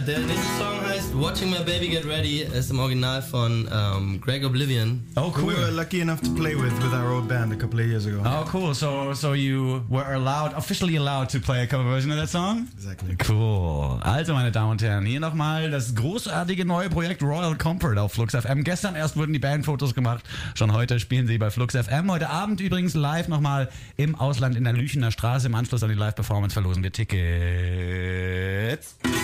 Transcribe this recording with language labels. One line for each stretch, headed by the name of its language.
German: Der nächste Song heißt Watching My Baby Get Ready. Es ist im Original von Greg Oblivion.
English: Oh, cool. We were lucky enough to play with our old band a couple of years ago. Oh, cool. So you were officially allowed to play a cover version of that song? Exactly. Cool.
German: Also, meine Damen und Herren, hier nochmal das großartige neue Projekt Royal Comfort auf Flux FM. Gestern erst wurden die Bandfotos gemacht. Schon heute spielen sie bei Flux FM. Heute Abend übrigens live nochmal im Ausland in der Lüchener Straße. Im Anschluss an die Live-Performance verlosen wir Tickets.